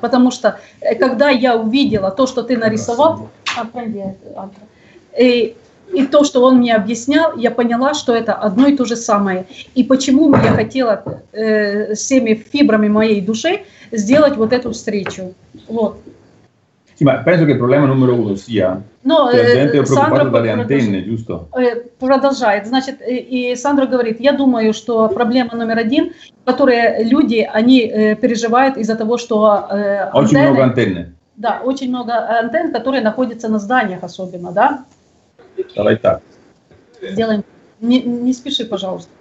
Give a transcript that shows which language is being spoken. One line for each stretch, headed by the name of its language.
Russian: Потому что, когда я увидела то, что ты нарисовал... А, привет, Андра. И то, что он мне объяснял, я поняла, что это одно и то же самое. И почему я хотела всеми фибрами моей души сделать вот эту встречу. Вот.
Italian: Penso che il problema numero uno sia no, che la gente è preoccupata dalle antenne, giusto?
Russian: Продолжает. Значит, и Сандра говорит, я думаю, что проблема номер один, которую люди, они переживают из-за того, что очень много антенны. Да, очень много антенн, которые находятся на зданиях особенно, да? Давай так. Сделаем. Не спеши, пожалуйста.